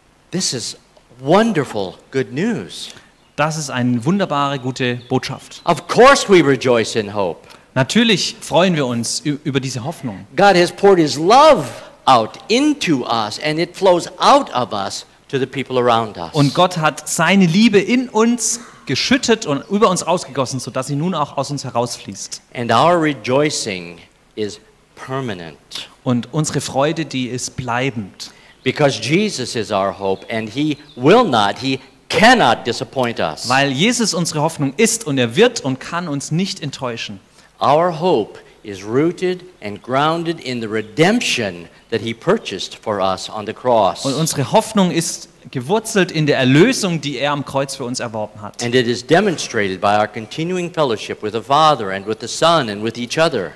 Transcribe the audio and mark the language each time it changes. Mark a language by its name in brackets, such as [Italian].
[English] This is wonderful good news. [German] Das ist eine wunderbare gute Botschaft. [English] Of course we rejoice in hope. [German] Natürlich freuen wir uns über diese Hoffnung. [English] God has poured his love out into us and it flows out of us to the people around us. [German] Und Gott hat seine Liebe in uns geschüttet und über uns ausgegossen, so dass sie nun auch aus uns herausfließt. [English] And our rejoicing is permanent. [German] Und unsere Freude, die ist bleibend. [English] Because Jesus is our hope and he will not, he cannot disappoint us. [German] Weil Jesus unsere Hoffnung ist und er wird und kann uns nicht enttäuschen. [English] Our hope is rooted and grounded in the redemption that he purchased for us on the cross. [German] Und unsere Hoffnung ist gewurzelt in der Erlösung, die am Kreuz für uns erworben hat. [English] And it is demonstrated by our continuing fellowship with the Father and with the Son and with each other.